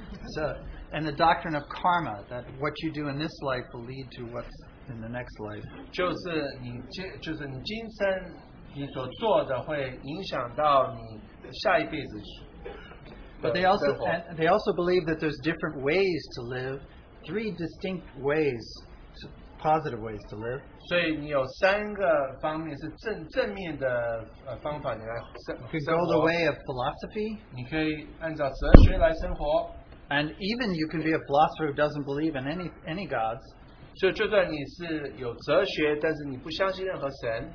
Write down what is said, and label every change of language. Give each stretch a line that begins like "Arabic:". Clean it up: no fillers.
English: so, and the doctrine of karma that what you do in this life will lead to what's in the next life
Chinese: 就是你今生你所做的会影响到你下一辈子
English: but they also believe that there's different ways to live three distinct ways positive ways to live
Chinese: 所以你有三个方面是 正面的方法你来生活
English: you can go the way of philosophy
Chinese: 你可以按照哲学来生活
English: and even you can be a philosopher who doesn't believe in any gods
Chinese: 所以就算你是有哲学但是你不相信任何神